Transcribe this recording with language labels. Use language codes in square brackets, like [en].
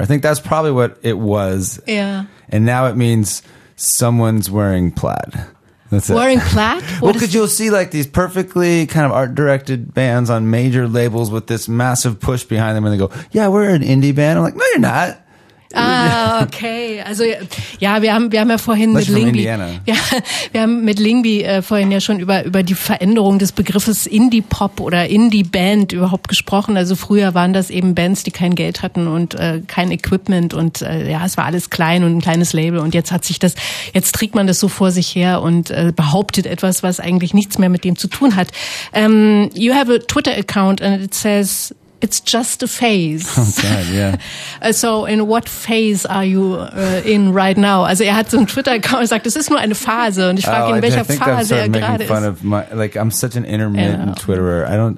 [en] I think that's probably what it was. Yeah. And now it means someone's wearing plaid. That's wearing it. Plaid? Well, because you'll see like these perfectly kind of art-directed bands on major labels with this massive push behind them, and they go, yeah, we're an indie band. I'm like, no, you're not. Ah, okay. [de] Also ja, wir haben ja vorhin mit Lingby, vorhin ja schon über die Veränderung des Begriffes Indie-Pop oder Indie-Band überhaupt gesprochen. Also früher waren das eben Bands, die kein Geld hatten und kein Equipment und es war alles klein und ein kleines Label. Und jetzt trägt man das so vor sich her und behauptet etwas, was eigentlich nichts mehr mit dem zu tun hat. [en] You have a Twitter-Account and it says, it's just a phase. Okay, yeah. So in what phase are you in right now? [de] Also er hat so einen Twitter-Account und sagt, das ist nur eine Phase. Und ich frage ihn, in welcher Phase er gerade ist. [en] I think I'm making fun of my, like, I'm such an intermittent Twitterer.